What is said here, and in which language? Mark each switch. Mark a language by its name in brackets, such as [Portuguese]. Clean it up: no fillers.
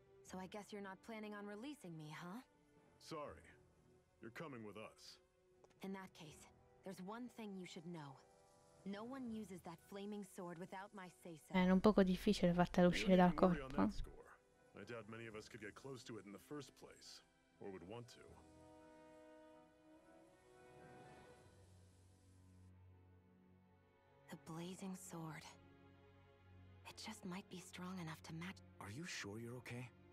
[English] So I guess you're not planning on releasing me, huh? Sorry. You're coming with us. In that case, there's one thing you should know. No one uses that flaming sword without my say-so. [Italian] È un poco difficile fartela uscire dal corpo. [English] I doubt many of us could get close to it in the first place, or would want to. The blazing sword. It just might be strong enough to match. Are you sure you're okay?